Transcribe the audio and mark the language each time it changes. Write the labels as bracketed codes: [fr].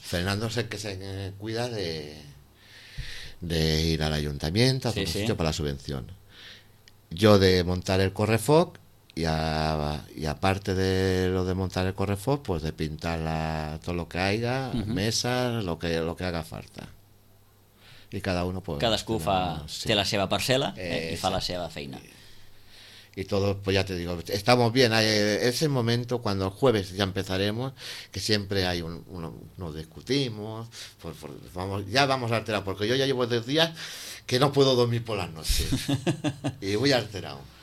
[es] Fernando es el que se cuida de ir al ayuntamiento, a un sitio para la subvención. Yo de montar el correfoc y aparte de lo de montar el correfoc, pues de pintar todo lo que haya, uh-huh, mesas, lo que haga falta. Y cada uno pues... [ca] Cadascú fa, sí, té la seva parcela y fa la seva feina. [es] Y todos, pues ya te digo, estamos bien. Es el momento cuando el jueves ya empezaremos, que siempre hay nos discutimos, pues vamos, ya vamos alterados, porque yo ya llevo 10 días que no puedo dormir por las noches. Y voy alterado.